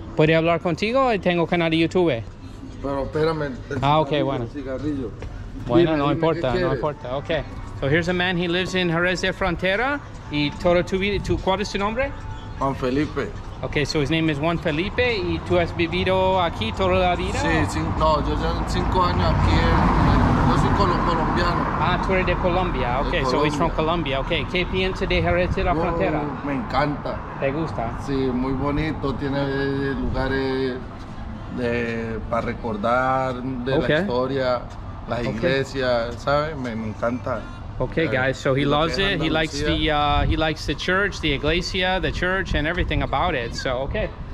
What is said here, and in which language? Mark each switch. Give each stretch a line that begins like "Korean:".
Spanish: ¿Puedo hablar contigo? Tengo canal de YouTube. Pero espérame. Ah, okay, bueno. Cigarrillo. Bueno, no importa, no importa. Okay.
English: So here's a man, he lives in Jerez de Frontera.
Spanish: ¿Y todo tu vida? ¿Cuál es tu nombre? Juan Felipe.
English: Okay, so his name is Juan Felipe.
Spanish: ¿Y tú has vivido aquí toda la vida? Sí, yo ya 5 años aquí. Yo soy colombiano. Ah, tú eres de Colombia. Okay, de
English: Colombia. So he's from Colombia.
Spanish: Okay, ¿qué piensas de Jerez de la Frontera? Me encanta. ¿Te gusta? Sí, muy bonito. Tiene lugares de para recordar de la historia, las iglesias, ¿sabes? Me encanta.
English: Okay, guys, so he loves it. He likes the church, the iglesia, the church, and everything about it. So, okay.